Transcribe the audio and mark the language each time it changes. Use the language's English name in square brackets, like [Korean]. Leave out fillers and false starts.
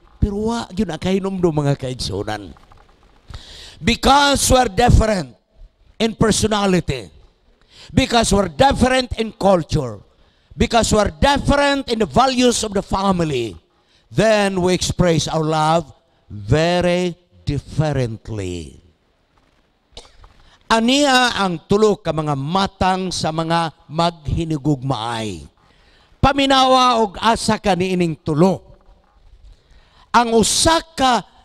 [Cebuano] Pero wa, yun ang kahinomdo mga kaigsunan. [English] Because we're different in personality. Because we're different in culture. Because we're different in the values of the family. Then we express our love very differently. [Cebuano] Ania ang tulog ka mga matang sa mga maghinigugmaay. Paminawa og asa ka niining tulog. Ang usa ka